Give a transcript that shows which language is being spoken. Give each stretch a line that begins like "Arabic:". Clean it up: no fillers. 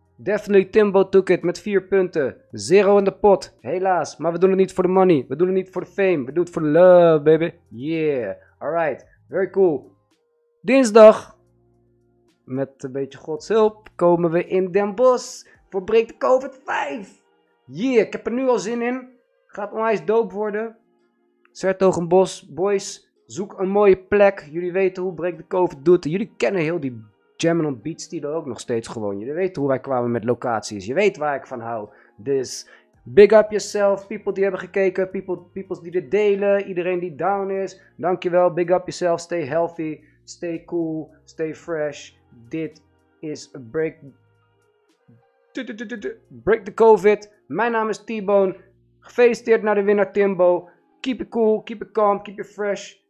English: Definitely Timbo took it
Dutch: met 4 punten. Zero in de pot, helaas. Maar we doen het niet voor de money. We doen het niet voor de fame. We doen het voor de love, baby.
English: Yeah, alright. Very cool.
Dutch: Dinsdag, met een beetje Gods hulp, komen we in Den Bosch voor Break the COVID 5. Yeah, ik heb er nu al zin in. Gaat onwijs dope worden. 's-Hertogenbosch, boys, zoek een mooie plek. Jullie weten hoe Break the COVID doet. Jullie kennen heel die Jammin' on Beats die er ook nog steeds gewoon. Jullie weten hoe wij kwamen met locaties. Je weet waar ik van hou. Dus
English: big up yourself,
Dutch: people die hebben gekeken, people die dit delen, iedereen die down is. Dankjewel,
English: big up yourself, stay healthy, stay cool, stay fresh.
Dutch: Dit is
English: a Break
Dutch: Break the COVID. Mijn naam is T-Bone. Gefeliciteerd naar de winnaar Timbo.
English: Keep it cool, keep it calm, keep it fresh.